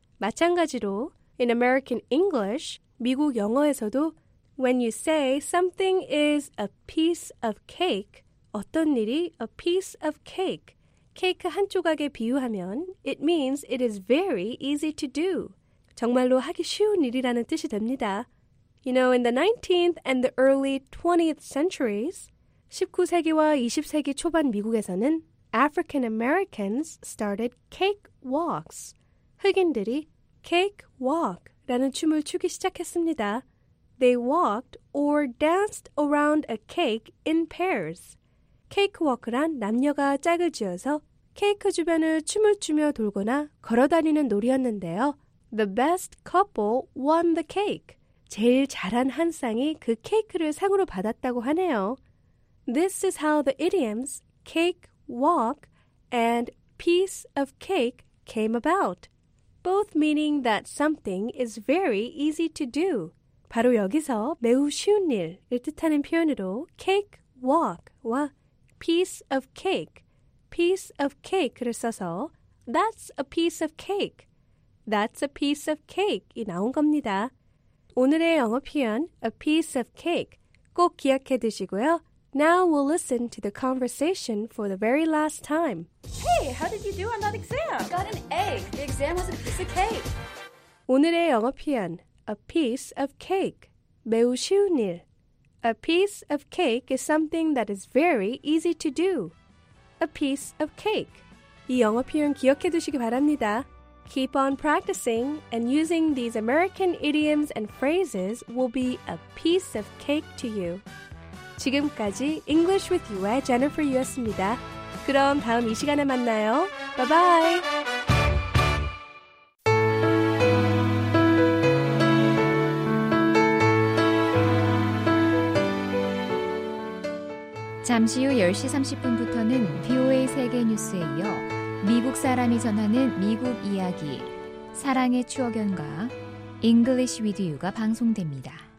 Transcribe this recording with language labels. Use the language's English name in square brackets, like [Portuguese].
[English] 마찬가지로 In American English, [Korean] 미국 영어에서도 [English] When you say something is a piece of cake, [Korean] 어떤 일이 [English] a piece of cake, [Korean] 케이크 한 조각에 비유하면 [English] It means it is very easy to do. [Korean] 정말로 하기 쉬운 일이라는 뜻이 됩니다. [English] You know, in the 19th and the early 20th centuries, [Korean] 19세기와 20세기 초반 미국에서는 [English] African Americans started cake walks. [Korean] 흑인들이 cake walk라는 춤을 추기 시작했습니다. [English] They walked or danced around a cake in pairs. [Korean] cake walk란 남녀가 짝을 지어서 케이크 주변을 춤을 추며 돌거나 걸어다니는 놀이였는데요. [English] The best couple won the cake. [Korean] 제일 잘한 한 쌍이 그 케이크를 상으로 받았다고 하네요. [English] This is how the idioms cake walk and piece of cake came about. Both meaning that something is very easy to do. [Korean] 바로 여기서 매우 쉬운 일을 뜻하는 표현으로 cake walk와 piece of cake를 써서 [English] that's a piece of cake, [Korean] that's a piece of cake이 나온 겁니다. 오늘의 영어 표현 a piece of cake 꼭 기억해 두시고요. [English] Now we'll listen to the conversation for the very last time. Hey, how did you do on that exam? I got an A. The exam was a piece of cake. [Korean] 오늘의 영어 표현, a piece of cake, 매우 쉬운 일. [English] A piece of cake is something that is very easy to do. A piece of cake. [Korean] 이 영어 표현 기억해 두시기 바랍니다. [English] Keep on practicing and using these American idioms and phrases will be a piece of cake to you. [Korean] 지금까지 English with You의 Jennifer Yu였습니다. 그럼 다음 이 시간에 만나요. [English] Bye bye! [Korean] (목소리) 잠시 후 10시 30분부터는 VOA 세계 뉴스에 이어 미국 사람이 전하는 미국 이야기, 사랑의 추억연과 English with You가 방송됩니다.